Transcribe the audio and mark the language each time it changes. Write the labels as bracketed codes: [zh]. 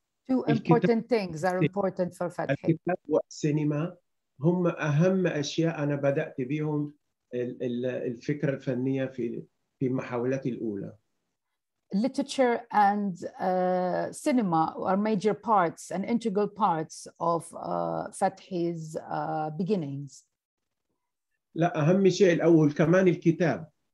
[en] Two important things are important for Fathi. [ar] الكتاب والسينما هم أهم أشياء أنا بدأت بهم الفكرة الفنية في محاولتي الأولى. [en] Literature and cinema are major parts and integral parts of Fathi's beginnings. [ar] لا أهم شيء الأول كمان الكتاب.